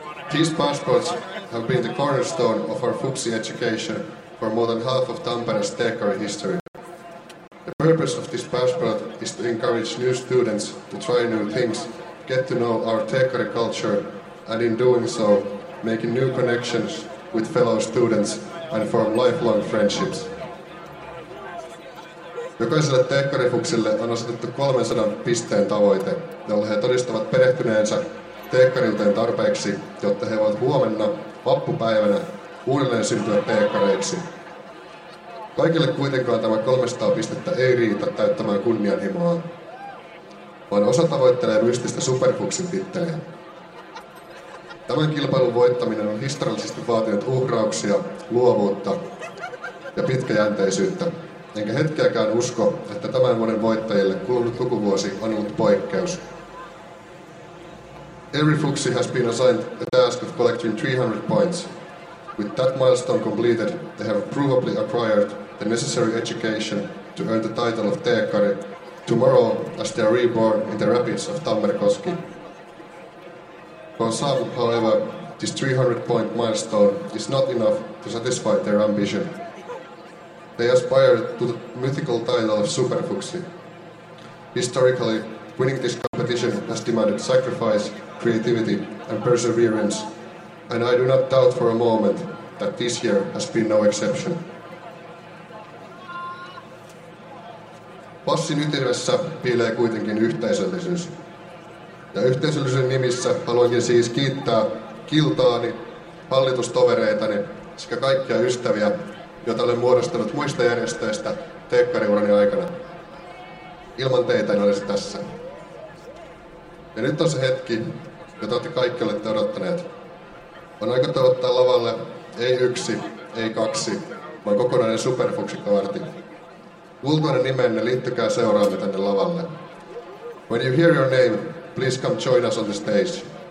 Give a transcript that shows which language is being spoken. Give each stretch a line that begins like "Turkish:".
English: These passports have been the cornerstone of our Fuksi education for more than half of Tampere's teekkari history. The purpose of this passport is to encourage new students to try new things, get to know our teekkari culture, and in doing so, making new connections with fellow students and form lifelong friendships.
Finnish: Jokaiselle teekkarifuksille on asetettu 300 pisteen tavoite, jolla he todistavat perehtyneensä teekkariuteen tarpeeksi, jotta he voivat huomenna vappupäivänä uudelleen syntyä teekkareiksi. Kaikille kuitenkaan tämä 300 pistettä ei riitä täyttämään kunnianhimoa, vaan osa tavoittelee mystistä superfuksin titteliä. Tämän kilpailun voittaminen on historiallisesti vaatinut uhrauksia, luovuutta ja pitkäjänteisyyttä. Enkä hetkeäkään usko, että tämän vuoden voittajille kulunut lukuvuosi on ollut poikkeus.
English: Every Fuksi has been assigned a task of collecting 300 points. With that milestone completed, they have provably acquired the necessary education to earn the title of teekkari tomorrow as they are reborn in the rapids of Tammerkoski. For some, however, this 300-point milestone is not enough to satisfy their ambition. They aspire to the mythical title of Superfuksi. Historically, winning this competition has demanded sacrifice, creativity and perseverance, and I do not doubt for a moment that this year has been no exception.
Finnish: Passin ytimessä piilee kuitenkin yhteisöllisyys. Ja yhteisöllisyyden nimissä haluankin siis kiittää kiltaani, hallitustovereitani sekä kaikkia ystäviä, joita olen muodostanut muista järjestöistä teekkariurani aikana. Ilman teitä en olisi tässä. Ja nyt on se hetki, jota te kaikki olette odottaneet. On aika toivottaa lavalle ei yksi, ei kaksi, vaan kokonainen superfuksikaarti. Ulkoinen nimenne, liittykää seuraamme tänne lavalle.
English: When you hear your name, please come join us on the stage.